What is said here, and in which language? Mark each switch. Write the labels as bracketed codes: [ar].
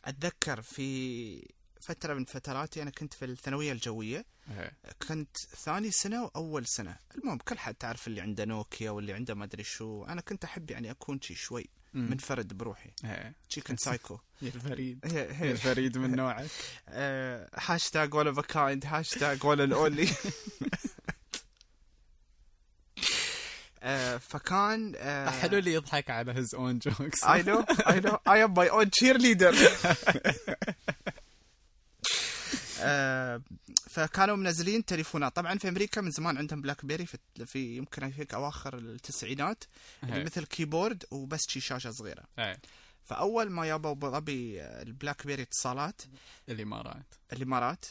[ar] اتذكر في فتره من فتراتي انا كنت في الثانويه الجويه كنت ثاني سنه واول سنه المهم كل حد تعرف اللي عنده نوكيا واللي عنده ما ادري شو انا كنت احب يعني اكون شي شوي منفرد بروحي [en] chicken psycho [ar] الفريد الفريد من نوعك هاشتاغ ولا بكايند هاشتاغ ولا الأولي. فكان حلو اللي يضحك على [en] his own jokes. I know I am my own cheerleader. [ar] فكانوا منزلين تليفونات طبعا في امريكا من زمان عندهم بلاك بيري في يمكن هيك اواخر التسعينات اللي مثل كيبورد وبس شي شاشه صغيره فاول ما يابوا ابو البلاك بيري اتصالات الامارات